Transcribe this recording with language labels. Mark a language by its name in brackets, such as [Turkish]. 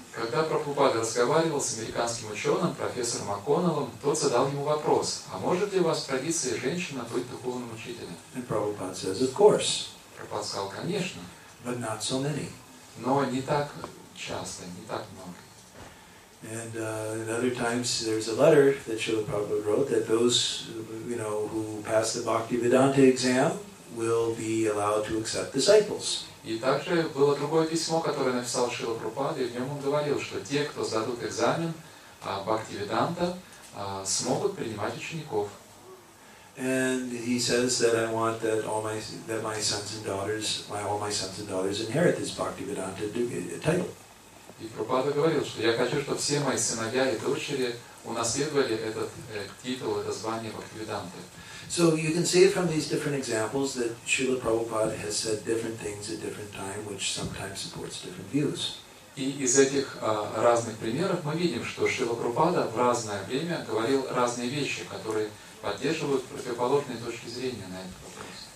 [Russian] Когда Прабхупада разговаривал с американским ученым профессором О'Коннеллом, тот задал ему вопрос: "А может ли у вас в традиции женщина быть духовным учителем?" [English] And Prabhupada says, "Of course." [Russian] Прабхупада сказал: "Конечно." [English] But not so many. [Russian] Но не так часто, не так много. [English] And in other times, there's a letter that Srila Prabhupada wrote that those, you know, who pass the Bhaktivedanta exam will be allowed to accept disciples. [Russian] И также было другое письмо, которое написал Шрила Прабхупада, и в нем он говорил, что те, кто сдадут экзамен Бхактивиданта, смогут принимать учеников. [English] And he says that I want that all my sons and daughters inherit this Bhaktivedanta title. [Russian] И Прабхупада говорил, что я хочу, чтобы все мои сыновья и дочери унаследовали этот титул, это звание Бхактивиданты. [English] So you can see from these different examples that Srila Prabhupada has said different things at different times, which sometimes supports different views. [Russian] И из этих разных примеров мы видим, что Шрила Прабхупада в разное время говорил разные вещи, которые поддерживают противоположные точки зрения на этот вопрос.